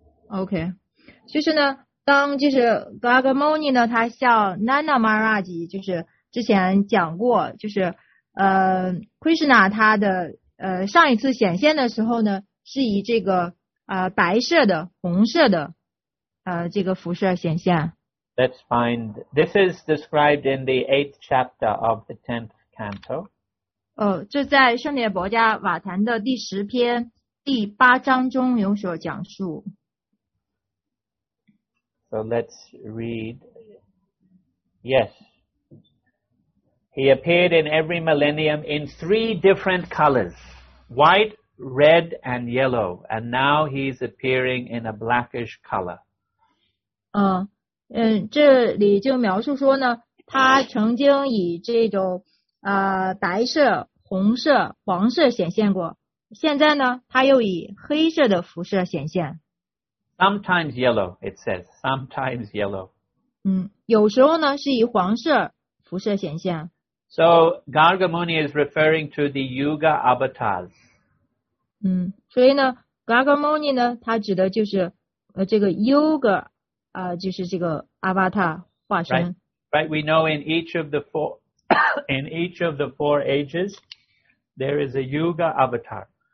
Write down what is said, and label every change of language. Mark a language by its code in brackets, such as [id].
[zh] Okay. 就是呢，当就是 Gagamoni 呢，他向 Nanda Maharaj 就是之前讲过，就是Krishna 他的上一次显现的时候呢，是以这个白色的、红色的这个服饰显现。 [en] That's fine. This is described in the 8th chapter of the 10th canto. [zh] 这在圣涅伯加瓦坛的第十篇第八章中有所讲述。 [en] So let's read. Yes. He appeared in every millennium in three different colors, white, red, and yellow, and now he's appearing in a blackish color. [zh] 这里就描述说呢，他曾经以这种白色、红色、黄色显现过，现在呢，他又以黑色的服饰显现。 [en] Sometimes yellow, it says. Sometimes yellow. [zh] 有时候呢是以黄色服饰显现。 [en] So Garga Muni is referring to the Yuga avatars. [zh] 所以呢 ，Garga Muni 呢，它指的就是这个 Yuga。就是这个阿巴塔化身。 [en] Right, we know in each of the four, in each of the four ages, there is a Yuga avatar.